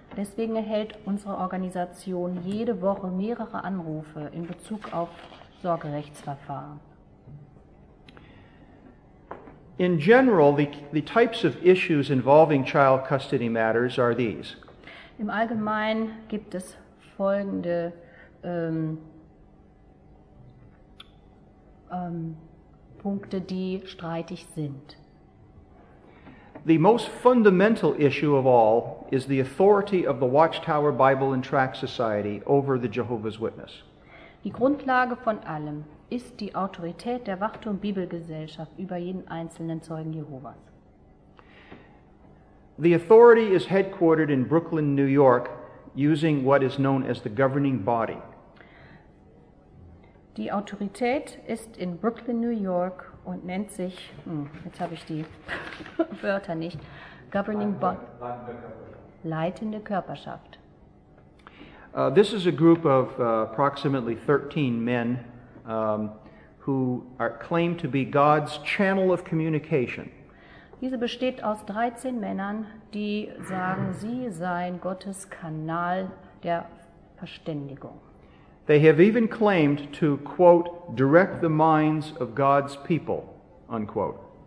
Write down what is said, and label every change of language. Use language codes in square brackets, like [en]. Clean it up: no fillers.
[de] Deswegen erhält unsere Organisation jede Woche mehrere Anrufe in Bezug auf Sorgerechtsverfahren. [en] In general, the types of issues involving child custody matters are these. [de] Im Allgemeinen gibt es folgende Punkte, die streitig sind. [en] The most fundamental issue of all is the authority of the Watchtower Bible and Tract Society over the Jehovah's Witness. [de] Die Grundlage von allem ist die Autorität der Wachturm Bibelgesellschaft über jeden einzelnen Zeugen Jehovas. [en] The authority is headquartered in Brooklyn, New York, using what is known as the governing body. [de] Die Autorität ist in Brooklyn, New York, und nennt sich, jetzt habe ich die Wörter nicht, governing body, leitende Körperschaft. [en] This is a group of approximately 13 men who are claimed to be God's channel of communication. [de] Diese besteht aus 13 Männern, die sagen, sie seien Gottes Kanal der Verständigung. [en] They have even claimed to, quote, direct the minds of God's people, unquote.